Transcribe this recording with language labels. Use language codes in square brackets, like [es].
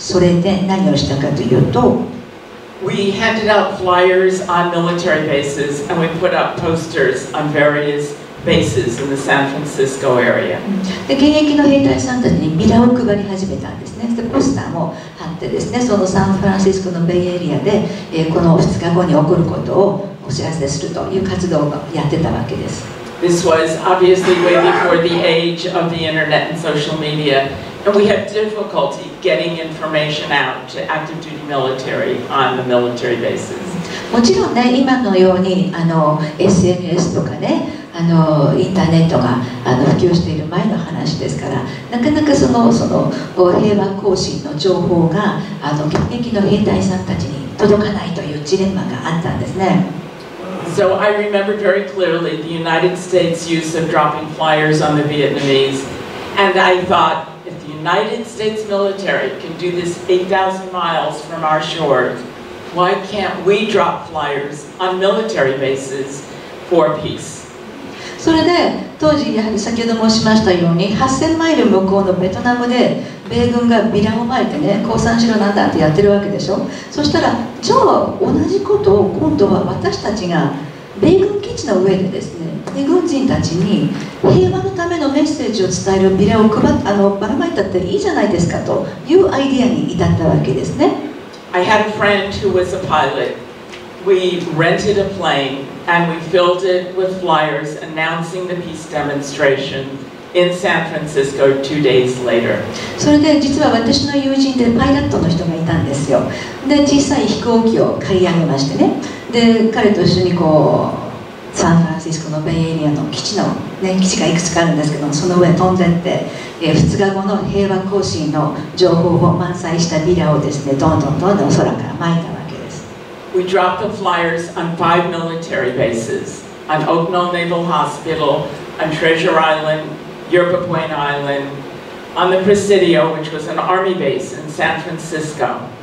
[ja] それで何をしたかというと、 [en] We handed out flyers on military bases and we put up posters on various bases in the San Francisco area. [ja] で、現役の兵隊さんたちにビラを配り始めたんですね。で、ポスターも貼ってですね、そのサンフランシスコのベイエリアで、この2日後に起こることをお知らせするという活動をやってたわけです。 [en] This was obviously way before the age of the internet and social media, and we had difficulty getting information out to active duty military on the military bases. [ja] もちろんね、今のようにSNS とかね、インターネットが普及している前の話ですから、なかなかその平和行進の情報が現役の兵隊さんたちに届かないというジレンマがあったんですね。 [en] So I remember very clearly the United States use of dropping flyers on the Vietnamese, and I thought if the United States military can do this 8,000 miles from our shores, why can't we drop flyers on military bases for peace? [ja] それで当時やはり先ほど申しましたように8000マイル向こうのベトナムで米軍がビラを撒いてね、降参しろなんだってやってるわけでしょ。そしたらじゃあ同じことを今度は私たちが米軍基地の上でですね、米軍人たちに平和のためのメッセージを伝えるビラをばらまいたっていいじゃないですかというアイデアに至ったわけですね。 [en] I had a friend who was a pilot. We rented a plane. And we filled it with flyers announcing the peace demonstration in San Francisco 2 days later. [ja] それで実は私の友人でパイロットの人がいたんですよ。で、小さい飛行機を買い上げましてね。で彼と一緒にこうサンフランシスコのベイエリアの基地の、ね、基地がいくつかあるんですけどその上飛んでって、2日後の平和行進の情報を満載したビラをですねどんどんどんどん空から撒いたわけです。 [en] We dropped the flyers on five military bases on Okno Naval Hospital, on Treasure Island, Yerba Buena Island, on the Presidio, which was an army base in San Francisco.